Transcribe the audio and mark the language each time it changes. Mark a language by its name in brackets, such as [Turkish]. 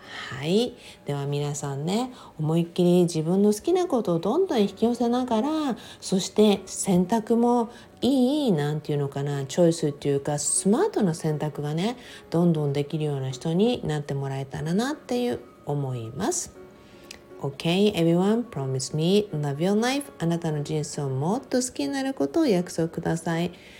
[Japanese] はい、では皆さんね、思いっきり自分の好きなことをどんどん引き寄せながら、そして選択もいい、なんていうのかな、チョイスっていうか、スマートな選択がね、どんどんできるような人になってもらえたらなっていう思います。 [English] OK everyone, promise me, love your life. [Japanese] あなたの人生をもっと好きになることを約束ください。